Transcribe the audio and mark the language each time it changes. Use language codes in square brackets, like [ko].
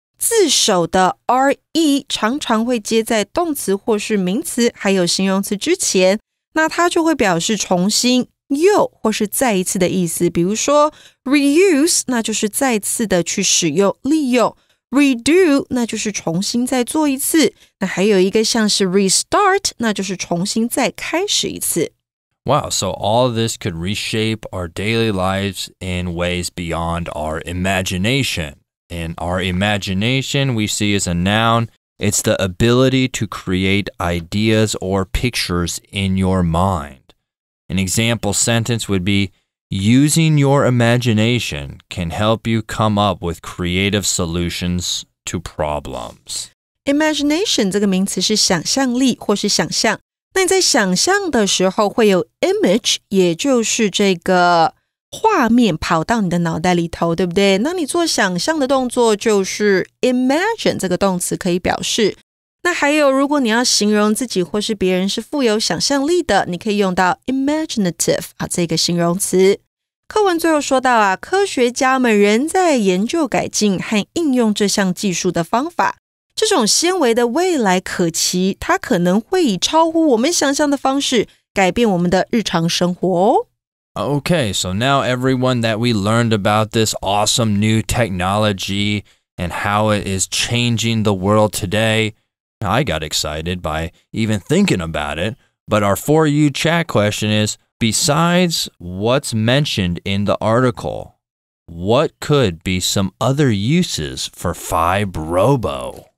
[zh] 自首的 RE 常常会接在动词或是名词还有形容词之前，那它就会表示重新又或是再一次的意思，比如说 reuse 那就是再次的去使用利用， redo 那就是重新再做一次，那还有一个像是 restart 那就是重新再开始一次。 [en] Wow, so all of this could reshape our daily lives in ways beyond our imaginationAnd our imagination, we see as a noun, it's the ability to create ideas or pictures in your mind. An example sentence would be, using your imagination can help you come up with creative solutions to problems. [zh] Imagination 这个名词是想象力或是想象。那你在想象的时候会有 image, 也就是这个画面跑到你的脑袋里头，对不对？那你做想象的动作就是 imagine 这个动词可以表示。那还有，如果你要形容自己或是别人是富有想象力的，你可以用到 imaginative 啊这个形容词。课文最后说到啊，科学家们仍在研究改进和应用这项技术的方法。这种纤维的未来可期，它可能会以超乎我们想象的方式改变我们的日常生活哦。 [en] Okay, so now everyone that we learned about this awesome new technology and how it is changing the world today, I got excited by even thinking about it. But our for you chat question is, besides what's mentioned in the article, what could be some other uses for FibeRobo?